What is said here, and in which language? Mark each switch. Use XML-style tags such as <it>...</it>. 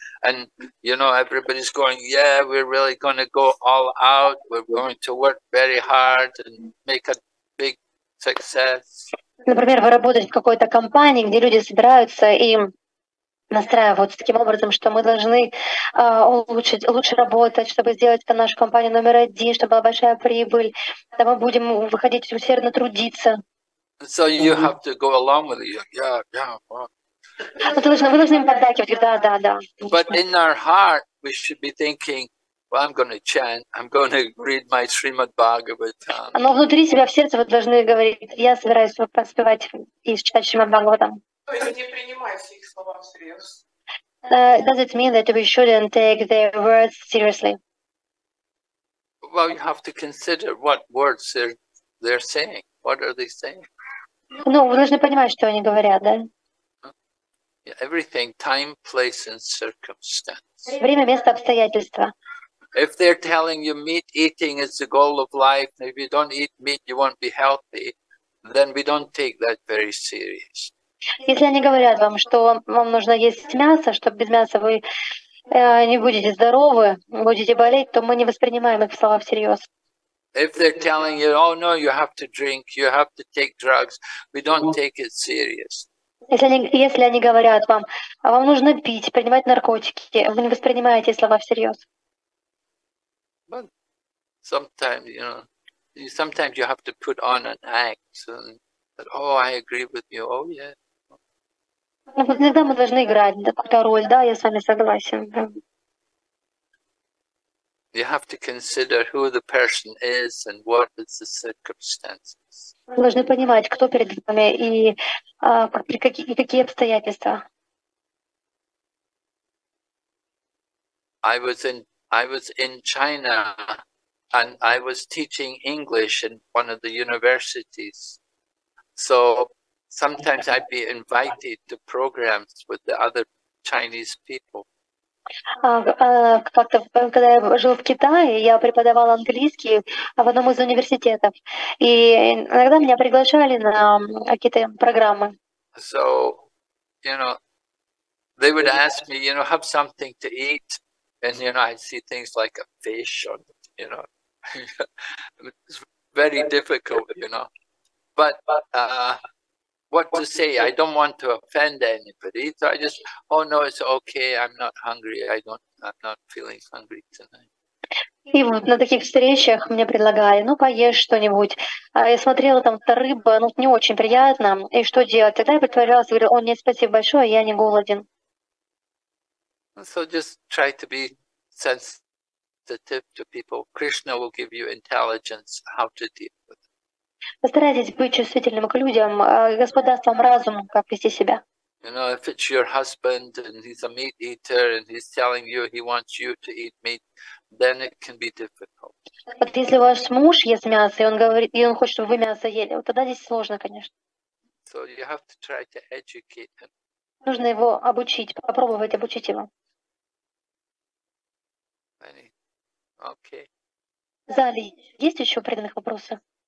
<en>And, you know, everybody's going, yeah, we're really going to go all out. We're going to work very hard and make a big success.</en> <ru>Например, вы работаете в какой-то компании, где люди собираются и настраивают таким образом, что мы должны улучшить, лучше работать, чтобы сделать это нашу компанию номер один, чтобы была большая прибыль, да, мы будем выходить усердно трудиться.</ru> <en>So you have to go along with it. Yeah.</en> <ru>Вы должны поддакивать, да, да, да.</ru> <en>But in our heart we should be thinking, well, I'm going to chant, I'm going to read my Srimad Bhagavatam.</en> <ru>Но внутри себя, в сердце вы должны говорить, я собираюсь поспевать и читать Srimad Bhagavatam.</ru> <en>Does it mean that we shouldn't take their words seriously? Well, you have to consider what words they're saying. What are they saying?</en> <ru>Ну, вы должны понимать, что они говорят, да?</ru> <en>Everything, time, place, and circumstance.</en> <ru>Время, место, обстоятельства.</ru> <en>If they're telling you meat eating is the goal of life, if you don't eat meat, you won't be healthy, then we don't take that very seriously.</en> <ru>Если они говорят вам, что вам нужно есть мясо, чтобы без мяса вы не будете здоровы, будете болеть, то мы не воспринимаем их слова всерьез.</ru> <en>If they're telling you, oh no, you have to drink, you have to take drugs, we don't take it serious.</en> <ru>Если они говорят вам, вам нужно пить, принимать наркотики, вы не воспринимаете слова всерьез.</ru> <en>But sometimes, you know, sometimes you have to put on an act, and, oh, I agree with you, oh yeah.</en> <ru>Но иногда мы должны играть какую-то роль, да, я с вами согласен.</ru> <en>You have to consider who the person is and what is the circumstances.</en> <ru>Вы должны понимать, кто перед вами и какие обстоятельства.</ru> <en>I was in China and I was teaching English in one of the universities. So sometimes I'd be invited to programs with the other Chinese people.</en> <ru>Как-то, когда я жил в Китае, я преподавал английский в одном из университетов. И иногда меня приглашали на какие-то программы.</ru> <en>So, you know, they would ask me, you know, have something to eat. And, you know, I'd see things like a fish or, you know, it's very difficult, you know. But, what to say? I don't want to offend anybody. So I just, oh no, it's okay. I'm not hungry. I'm not feeling hungry tonight.</en> <ru>И вот на таких встречах мне предлагали, ну поешь что-нибудь. А я смотрела там рыба, ну не очень приятно. И что делать? Тогда я притворялась, говорю, о, нет, спасибо большое, я не голоден.</ru> <en>So just try to be sensitive to people. Krishna will give you intelligence how to deal with it.</en> <ru>Постарайтесь быть чувствительным к людям, Господь даст вам разум, как вести себя.</ru> <en>You know, if it's your husband and he's a meat eater and he's telling you he wants you to eat meat, then it can be difficult.</en> <ru>Вот если ваш муж ест мясо, и он говорит, и он хочет, чтобы вы мясо ели, вот тогда здесь сложно, конечно.</ru> <en>So you have to try to educate him.</en> <ru>Нужно его обучить, попробовать обучить его.</ru> <en>Okay.</en> <ru>В зале есть еще преданных вопросов?</ru>